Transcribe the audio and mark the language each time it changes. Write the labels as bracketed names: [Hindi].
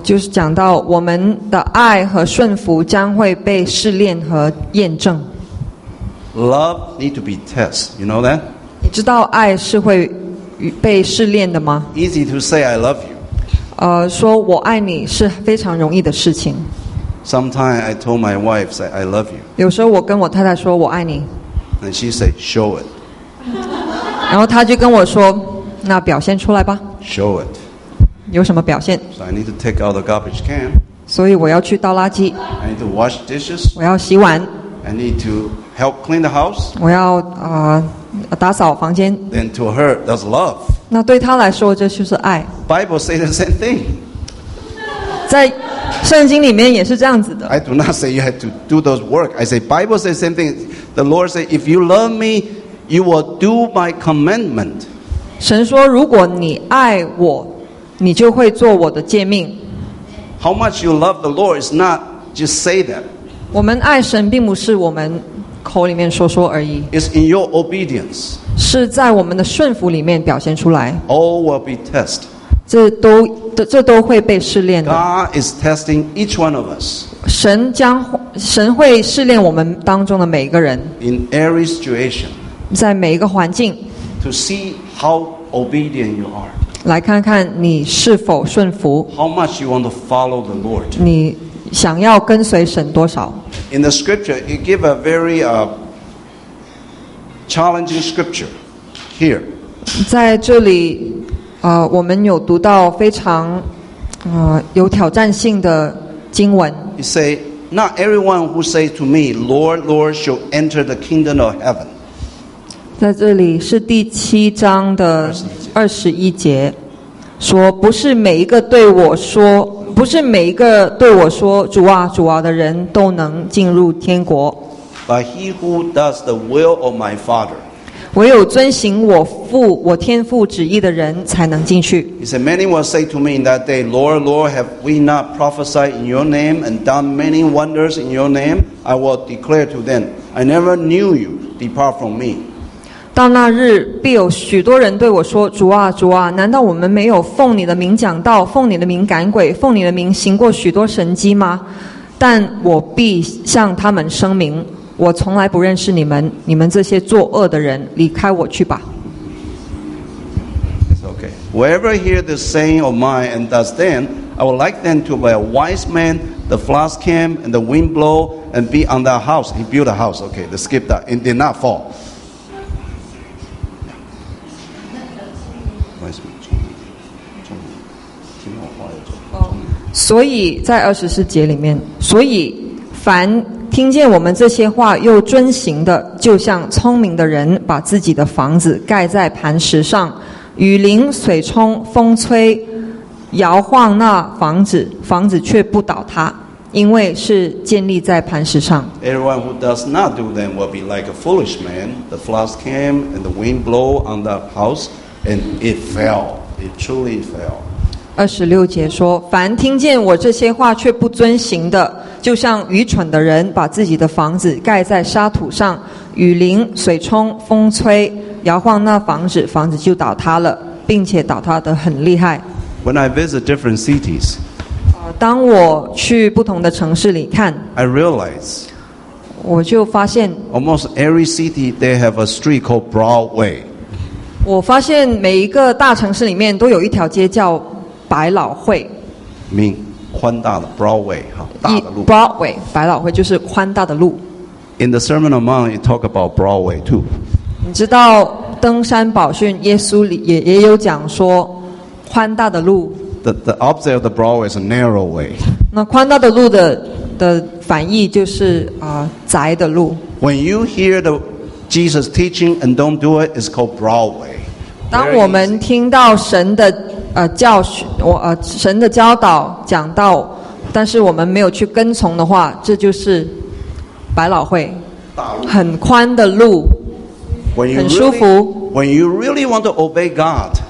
[Chinese] 就是讲到我们的爱和顺服将会被试炼和验证。 [English] Love need to be tested. You know that? [Chinese] 你知道爱是会被试炼的吗 [English] ？Easy to say I love you. [Chinese] 说我爱你是非常容易的事情。 [English] Sometimes I told my wife, "Say I love you." [Chinese] 有时候我跟我太太说我爱你。 [English] And she said, "Show it." [Chinese] 然后她就跟我说，那表现出来吧。 [English] Show it. [Chinese] 有什么表现 [English] ？So I need to take out the garbage can. [Chinese] 所以我要去倒垃圾。 [English] I need to wash dishes. [Chinese] 我要洗碗。 [English] I need to help clean the house. [Chinese] 我要打扫房间。 [English] Then to her, that's love. [Chinese] 那对她来说，这就是爱。 [English] Bible says the same thing. [Chinese] 在圣经里面也是这样子的。 [English] I do not say you have to do those work. I say Bible says the same thing. The Lord says, if you love me, you will do my commandment. [Chinese] 神说，如果你爱我，你就会做我的诫命。 [English] How much you love the Lord is not just say that. [Chinese] 我们爱神并不是我们口里面说说而已。 [English] It's in your obedience. [Chinese] 是在我们的顺服里面表现出来。 [English] All will be tested. [Chinese] 这都会被试炼的。 [English] God is testing each one of us. [Chinese] 神会试炼我们当中的每一个人。 [English] In every situation. [Chinese] 在每一个环境。 [English] To see how obedient you are. [Chinese] 来看看你是否顺服。 [English] How much you want to follow the Lord. [Chinese] 你想要跟随神多少。 [English] In the scripture, it gives a very challenging scripture here. [Chinese] 在这里我们有读到非常有挑战性的经文。 [English] He say, "Not everyone who say to me, 'Lord, Lord,' shall enter the kingdom of heaven." [Chinese] 在这里是第七章的21节，说不是每一个对我说，不是每一个对我说“主啊，主啊”的人都能进入天国。 [English] But he who does the will of my Father. [Chinese] 唯有遵行我天父旨意的人才能进去。 [English] He said, "Many will say to me in that day, 'Lord, Lord, have we not prophesied in your name and done many wonders in your name?' I will declare to them, 'I never knew you. Depart from me.'" [Chinese] 到那日，必有许多人对我说：“主啊，主啊，难道我们没有奉你的名讲道，奉你的名赶鬼，奉你的名行过许多神迹吗？” 但我必向他们声明。我从来不认识你们，你们这些作恶的人，离开我去吧。 [English] It's okay. Whoever hear this saying of mine and does then, I would like them to be a wise man, the flask came and the wind blow and be on that house. He built a house. Okay, let's skip that. It did not fall. Wise man. [Chinese] 所以在二十四节里面，所以凡听见我们这些话又遵行的，就像聪明的人把自己的房子盖在磐石上，雨淋、水冲、风吹摇晃那房子，房子却不倒塌，因为是建立在磐石上。 [English] Everyone who does not do them will be like a foolish man. The floods came and the wind blow on the house and it fell. It truly fell. [Chinese] 二十六节说，凡听见我这些话却不遵行的，就像愚蠢的人把自己的房子盖在沙土上，雨淋、水冲、风吹摇晃那房子，房子就倒塌了，并且倒塌得很厉害。 [English] When I visit different cities, [Chinese] 当我去不同的城市里看， [English] I realize, [Chinese] 我就发现 [English] almost every city they have a street called Broadway. [Chinese] 我发现每一个大城市里面都有一条街叫百老汇，宽大的 Broadway 哈，大的路。 Broadway 百老汇就是宽大的路。 [English] In the Sermon on the Mount, it talks about Broadway too. [Chinese] 你知道登山宝训耶稣里 也有讲说宽大的路。 [English] The opposite of the Broadway is a narrow way. [Chinese] 那宽大的路 的反义就是、窄的路。 [English] When you hear the Jesus teaching and don't do it, it's called Broadway. [Chinese] 当我们听到神的教训，神的教导讲到，但是我们没有去跟从的话，这就是百老汇，很宽的路，很舒服。 [English] When you really want to obey God,